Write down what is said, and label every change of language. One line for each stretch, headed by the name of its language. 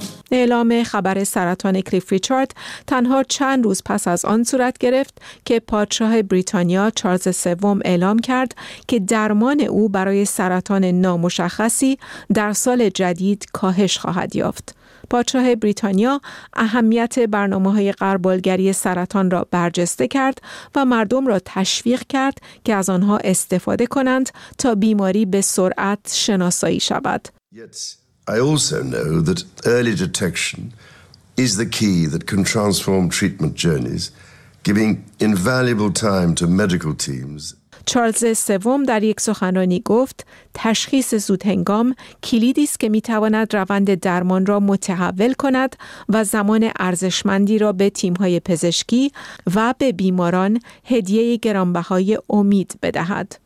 Persian: اعلام خبر سرطان کلیف ریچارد تنها چند روز پس از آن صورت گرفت که پادشاه بریتانیا چارلز سوم اعلام کرد که درمان او برای سرطان نامشخصی در سال جدید کاهش خواهد یافت. پادشاه بریتانیا اهمیت برنامه‌های غربالگری سرطان را برجسته کرد و مردم را تشویق کرد که از آنها استفاده کنند تا بیماری به سرعت شناسایی شود.
English: I also know that early detection is the key that can transform treatment journeys, giving invaluable time to medical teams.
Persian: چارلز سوم در یک سخنرانی گفت تشخیص زودهنگام کلیدی است که میتواند روند درمان را متحول کند و زمان ارزشمندی را به تیم‌های پزشکی و به بیماران هدیه گرانبهای امید بدهد.